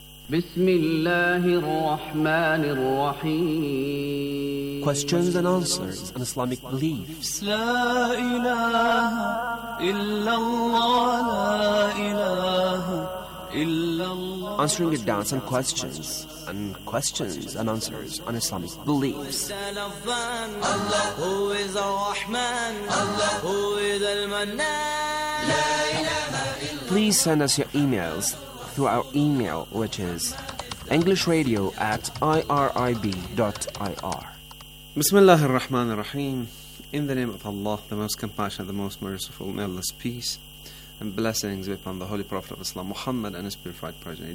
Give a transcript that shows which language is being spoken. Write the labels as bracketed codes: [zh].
[ar] بسم الله الرحمن الرحيم [en] Questions and answers on Islamic beliefs [ar] لا إله إلا الله لا إله إلا الله [en] Answering the doubts and questions and questions and answers on Islamic beliefs [ar] Allah هو ذا الرحمن Allah هو ذا المنان لا إله إلا [en] Please send us your emails through our email, which is englishradio@irib.ir. Bismillah ar-Rahman ar-Rahim. In the name of Allah, the most compassionate, the most merciful, may Allah's peace and blessings be upon the Holy Prophet of Islam, Muhammad, and his purified progeny.